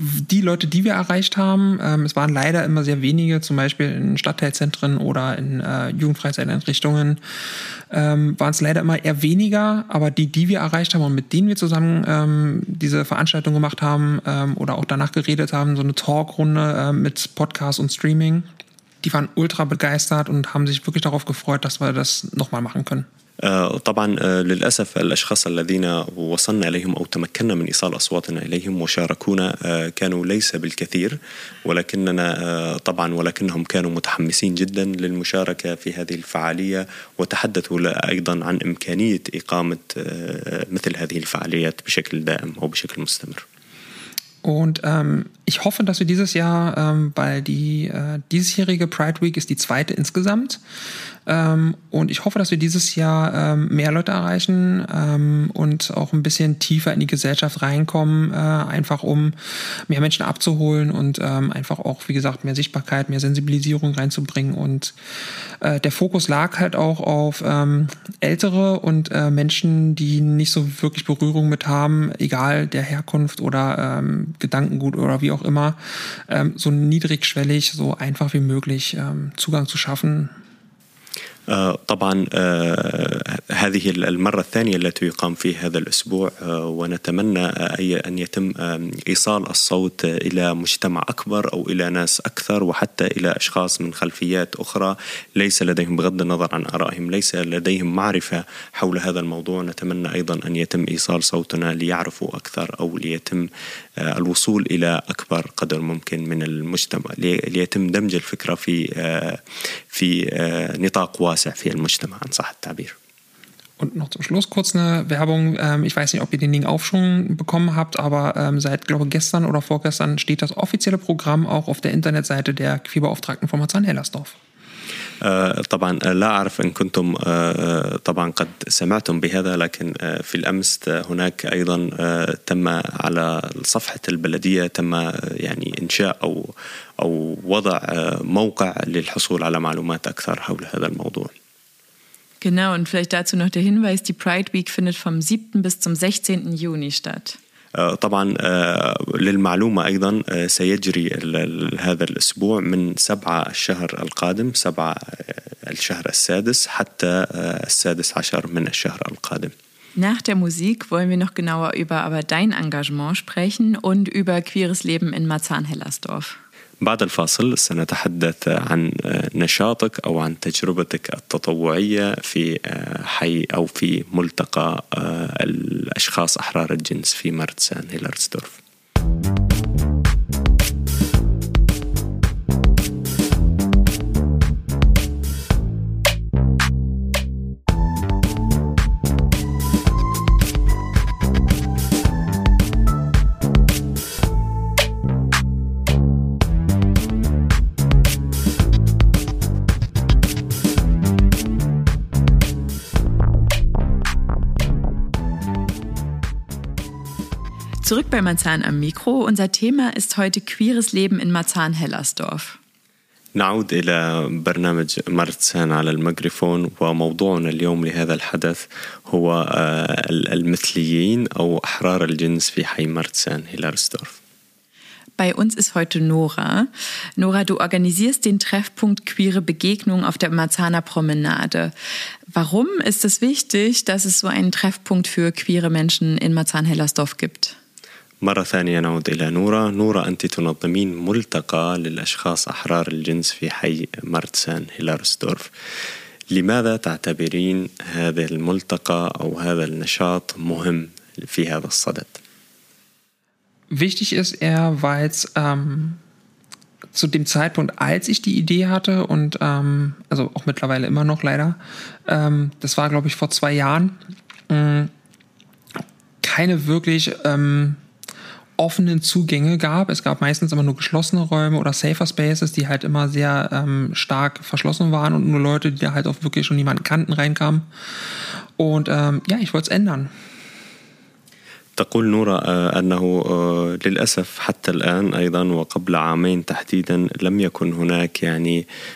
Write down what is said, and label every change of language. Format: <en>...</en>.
<de>Die Leute, die wir erreicht haben, es waren leider immer sehr wenige, zum Beispiel in Stadtteilzentren oder in Jugendfreizeiteinrichtungen, waren es leider immer eher weniger, aber die, die wir erreicht haben und mit denen wir zusammen diese Veranstaltung gemacht haben oder auch danach geredet haben, so eine Talkrunde mit Podcast und Streaming, die waren ultra begeistert und haben sich wirklich darauf gefreut, dass wir das nochmal machen können.</de> <ar>طبعا للأسف الأشخاص الذين وصلنا إليهم أو تمكننا من إيصال أصواتنا إليهم وشاركونا كانوا ليس بالكثير ولكننا طبعا ولكنهم كانوا متحمسين جدا للمشاركة في هذه الفعالية وتحدثوا أيضا عن إمكانية إقامة مثل هذه الفعاليات بشكل دائم أو بشكل مستمر.</ar> <de>Und ich hoffe, dass wir dieses Jahr, weil die diesjährige Pride Week ist die zweite insgesamt, und ich hoffe, dass wir dieses Jahr mehr Leute erreichen und auch ein bisschen tiefer in die Gesellschaft reinkommen, einfach um mehr Menschen abzuholen und einfach auch, wie gesagt, mehr Sichtbarkeit, mehr Sensibilisierung reinzubringen. Und der Fokus lag halt auch auf Ältere und Menschen, die nicht so wirklich Berührung mit haben, egal der Herkunft oder Gedankengut oder wie auch immer, so niedrigschwellig, so einfach wie möglich Zugang zu schaffen.</de> <ar>طبعا هذه المرة الثانية التي يقام في هذا الأسبوع ونتمنى أن يتم إيصال الصوت إلى مجتمع أكبر أو إلى ناس أكثر وحتى إلى أشخاص من خلفيات أخرى ليس لديهم بغض النظر عن آرائهم ليس لديهم معرفة حول هذا الموضوع نتمنى أيضا أن يتم إيصال صوتنا ليعرفوا أكثر أو ليتم الوصول إلى أكبر قدر ممكن من المجتمع ليتم دمج الفكرة في نطاق واسع في المجتمع عن صح التعبير.</ar> <de>Und noch zum Schluss kurz eine Werbung. Ich weiß nicht, ob ihr den Link Aufschwung bekommen habt, aber seit, glaube ich, gestern oder vorgestern steht das offizielle Programm auch auf der Internetseite der Queerbeauftragten von Marzahn-Hellersdorf.</de> <ar>طبعا لا أعرف إن كنتم طبعا قد سمعتم بهذا لكن في الأمس هناك أيضا تم على صفحة البلدية تم يعني إنشاء أو وضع موقع للحصول على معلومات أكثر حول هذا الموضوع.</ar> <de>Genau, und vielleicht dazu noch der Hinweis, die Pride Week findet vom 7. bis zum 16. Juni statt.</de> <ar>طبعا للمعلومة أيضا سيجري هذا الأسبوع من 7 الشهر القادم 7 الشهر السادس حتى 16 من الشهر القادم.</ar> <de>Nach der Musik wollen wir noch genauer über aber dein Engagement sprechen und über queeres Leben in Marzahn-Hellersdorf.</de> <ar>بعد الفاصل سنتحدث عن نشاطك أو عن تجربتك التطوعية في حي أو في ملتقى الأشخاص أحرار الجنس في مارتسان-هيلرسدورف.</ar> <de>Zurück bei Marzahn am Mikro. Unser Thema ist heute queeres Leben in Marzahn-Hellersdorf.</de> <ar>نعود إلى برنامج مارتسان على الميكروفون وموضوعنا اليوم لهذا الحدث هو المثليين أو أحرار الجنس في حي مارتسان-هيلرسدورف.</ar> <de>Bei uns ist heute Nora. Nora, du organisierst den Treffpunkt Queere Begegnung auf der Marzahner Promenade. Warum ist es wichtig, dass es so einen Treffpunkt für queere Menschen in Marzahn-Hellersdorf gibt?</de> <ar>مرة ثانية نعود إلى نورا. نورا أنت تنظمين ملتقى للأشخاص أحرار الجنس في حي مارتسان-هيلرسدورف. لماذا تعتبرين هذا الملتقى أو هذا النشاط مهم في هذا الصدد؟</ar> <de>Wichtig ist er, weil es zu dem Zeitpunkt, als ich die Idee hatte und also auch mittlerweile immer noch leider, das war glaube ich vor 2 Jahren, keine wirklich offenen Zugänge gab. Es gab meistens immer nur geschlossene Räume oder Safer Spaces, die halt immer sehr stark verschlossen waren und nur Leute, die da halt auch wirklich schon jemanden kannten, reinkamen. Und ja, ich wollte es ändern.</de> <ar>تقول نورا أنه للأسف حتى الآن أيضا وقبل عامين تحديدا لم يكن هناك يعني</ar>